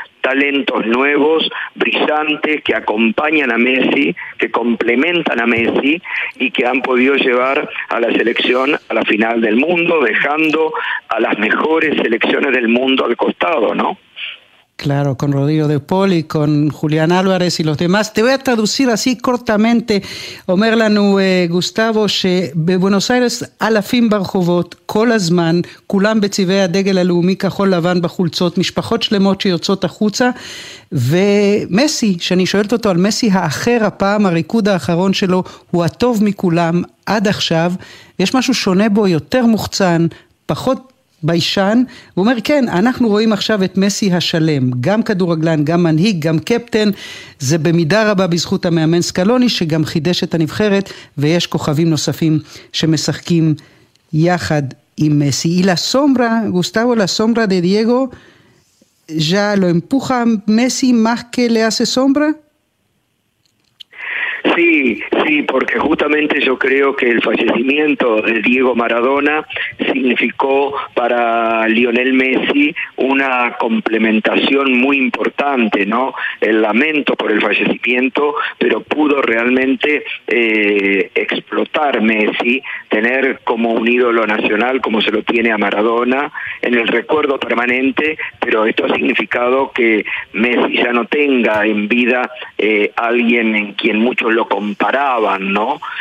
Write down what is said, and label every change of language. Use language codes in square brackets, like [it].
[es] Talentos nuevos, brillantes, que acompañan a Messi, que complementan a Messi y que han podido llevar a la selección a la final del mundo, dejando a las mejores selecciones del mundo al costado, ¿no? Claro, con Rodrigo de Paul y con Julián Álvarez y los demás. Te voy a traducir así cortamente, [he] אומר לנו גוסטבו, שבבונוס איירס אלפים ברחובות, כל הזמן, כולם בצבעי הדגל הלאומי כחול לבן בחולצות, משפחות שלמות שיוצאות החוצה, ומסי, שאני שואלת אותו על מסי האחר הפעם, הריקוד האחרון שלו, הוא הטוב מכולם עד עכשיו, יש משהו שונה בו, יותר מוחצן, פחות ביישן, הוא אומר, כן, אנחנו רואים עכשיו את מסי השלם, גם כדורגלן, גם מנהיג, גם קפטן, זה במידה רבה בזכות המאמן סקלוני, שגם חידש את הנבחרת, ויש כוכבים נוספים שמשחקים יחד עם מסי. היא לסומרה, גוסטבו לסומרה דה דייגו, ז'ה לא אמפוחה מסי מחכה לעשה סומרה? [es] Sí, sí, porque justamente yo creo que el fallecimiento de Diego Maradona significó para Lionel Messi una complementación muy importante, ¿no? El lamento por el fallecimiento, pero pudo realmente explotar Messi, tener como un ídolo nacional como se lo tiene a Maradona en el recuerdo permanente, pero esto ha significado que Messi ya no tenga en vida alguien en quien muchos lo comparaban, ¿no?